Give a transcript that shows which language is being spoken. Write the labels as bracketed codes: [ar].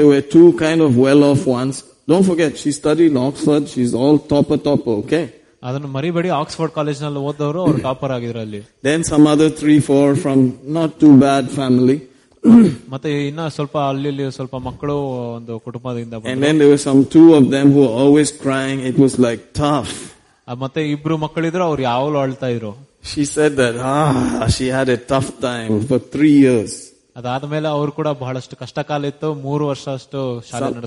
[en] They were two kind of well off ones Don't forget, she studied in Oxford. She's all topper, okay? [kn] ಅದನ್ನು ಮರಿಬೇಡಿ Oxford college ನಲ್ಲಿ ಓದವರು ಅವರು topper ಆಗಿದ್ರು ಅಲ್ಲಿ [en] then some other 3-4 from not too bad family [kn] ಮತ್ತೆ ಇನ್ನ ಸ್ವಲ್ಪ ಅಲ್ಲಿ ಸ್ವಲ್ಪ ಮಕ್ಕಳು ಒಂದು ಕುಟುಂಬದಿಂದ [en] and then there were some two of them who were always crying. It was like tough. [kn] ಮತ್ತೆ ಇಬ್ರು ಮಕ್ಕಳಿದ್ರು ಅವ್ರು ಯಾವಾಗಲೂ ಅಳ್ತಾ ಇದ್ರು [en] She said that she had a tough time for 3 years. [kn] ಅದಾದ ಮೇಲೆ ಅವರು ಕೂಡ ಬಹಳಷ್ಟು ಕಷ್ಟ ಕಾಲ ಇತ್ತು 3 ವರ್ಷಷ್ಟು ಶಾಲೆ